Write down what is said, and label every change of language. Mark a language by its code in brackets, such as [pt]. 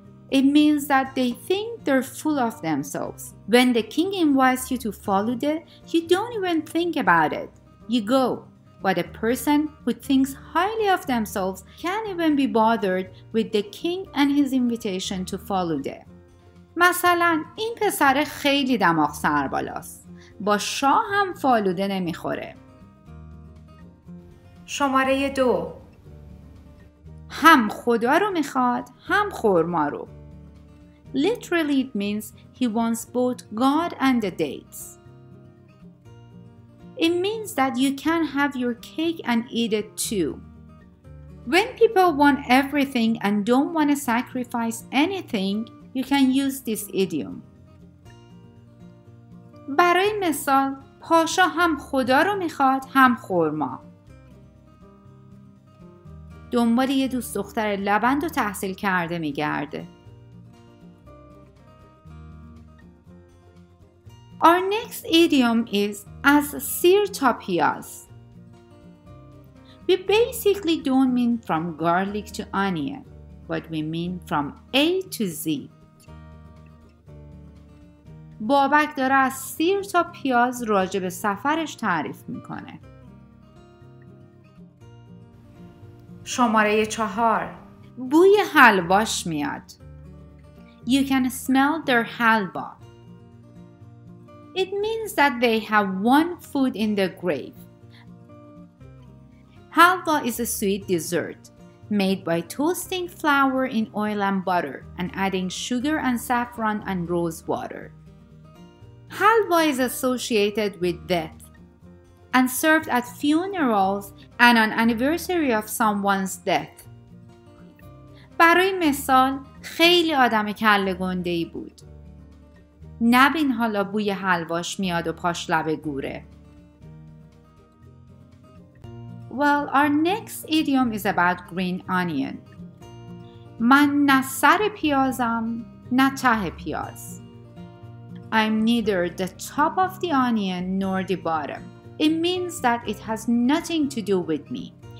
[en] It means that they think they're full of themselves. When the king invites you to فالوده, you don't even think about it. You go. But a person who thinks highly of themselves can't even be bothered with the king and his invitation to فالوده. [fa] مثلا این پسر خیلی دماغ سر بالاست. با شاه هم فالوده نمیخوره. شماره دو هم خدا رو میخواد هم خورما رو. [en] Literally it means he wants both God and the dates. It means that you can have your cake and eat it too. When people want everything and don't want to sacrifice anything, you can use this idiom. [fa] برای مثال پاشا هم خدا رو میخواد هم خورما. دنبال یه دوست دختر لبند و تحصیل کرده میگرده. [en] Our next idiom is [fa] از سیر تا پیاز. [en] We basically don't mean from garlic to onion, but we mean from A to Z. [fa] بابک داره از سیر تا پیاز راجع به سفرش تعریف میکنه. شماره 4 بوی حلواش میاد. [en] You can smell their halva. It means that they have one food in the grave. Halva is a sweet dessert made by toasting flour in oil and butter and adding sugar and saffron and rose water. Halva is associated with death and served at funerals and on anniversary of someone's death. [fa] برای مثال خیلی آدم کله گنده‌ای بود. نبین حالا بوی حلواش میاد و پاش لب گوره. [en] Well, our next idiom is about green onion. [fa] من نه سر پیازم نه ته پیاز. [en] I'm neither the top of the onion nor the bottom. It means that it has nothing to do with me.